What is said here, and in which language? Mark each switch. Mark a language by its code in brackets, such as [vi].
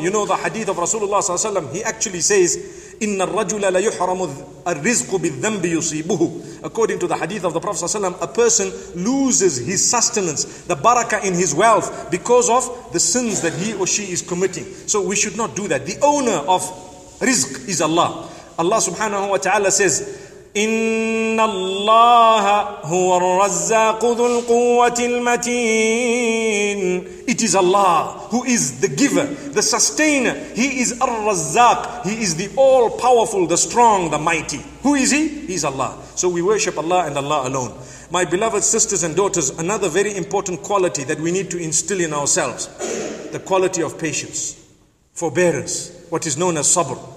[en] You know the hadith of Rasulullah sallallahu alaihi wasallam. He actually says, [ar] "Inna ar-rajula la yuhramu ar-rizqu bidhanbi yusibuhu." [en] According to the hadith of the Prophet sallallahu alaihi wasallam, a person loses his sustenance, the barakah in his wealth, because of the sins that he or she is committing. So we should not do that. The owner of rizq is Allah. Allah subhanahu wa ta'ala says, [ar] إِنَّ اللَّهَ هُوَ الرَّزَّاقُ ذُو الْقُوَّةِ الْمَتِينَ. [en] It is Allah who is the giver, the sustainer. He is الرَّزَّاق. He is the all-powerful, the strong, the mighty. Who is He? He is Allah. So we worship Allah and Allah alone. My beloved sisters and daughters, another very important quality that we need to instill in ourselves, the quality of patience, forbearance, what is known as sabr.